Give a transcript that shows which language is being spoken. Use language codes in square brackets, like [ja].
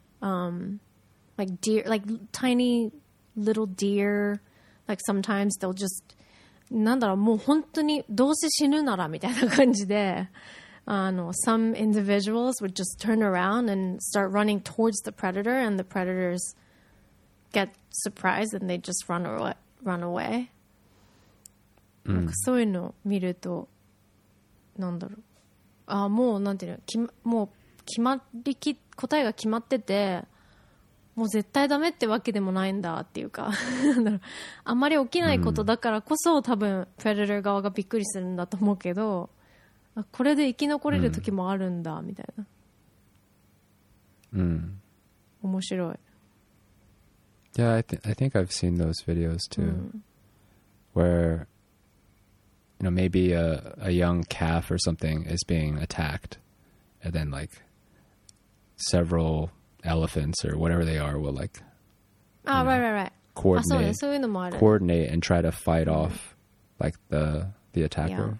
[en] Like deer, like tiny little deer, like sometimes they'll just, [ja] なんだろう、もう本当にどうせ死ぬならみたいな感じで、 [en] some individuals would just turn around and start running towards the predator, and the predators get surprised and they just run away. [ja] そういうの見ると、なんだろう、あ、もうなんていうの、もう決まりき、答えが決まってて、もう絶対ダメってわけでもないんだっていうか、あんまり起きないことだからこそ、多分プレデター側がびっくりするんだと思うけど、これで生き残れる時もあるんだみたいな。面白い。 [en] Yeah, I think I've seen those videos too, where, you know, maybe a young calf or something is being attacked, and then like several elephants or whatever they are will like, coordinate and try to fight off like the attacker.